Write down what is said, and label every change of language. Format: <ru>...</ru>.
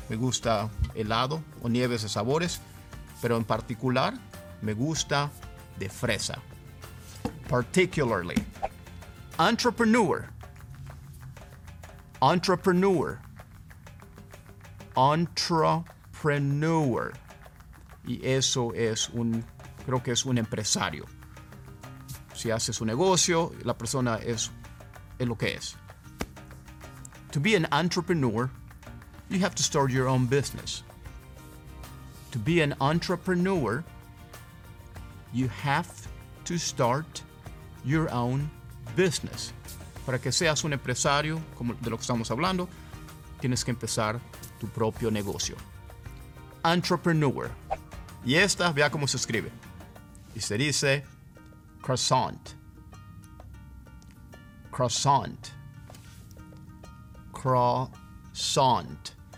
<es>Me gusta helado o nieves de sabores. Pero en particular, me gusta de fresa.</es> <en>Particularly. Entrepreneur. Entrepreneur. Entrepreneur.</en> <es>Y eso es un, creo que es un empresario. Si si hace su negocio, la persona es lo que es.</es> <en>To be an entrepreneur, you have to start your own business. To be an entrepreneur, you have to start your own business.</en> <es>Para que seas un empresario, como de lo que estamos hablando, tienes que empezar tu propio negocio. Entrepreneur. Y esta, vea cómo se escribe. Y se dice croissant.</es> <en>Croissant. Croissant.</en>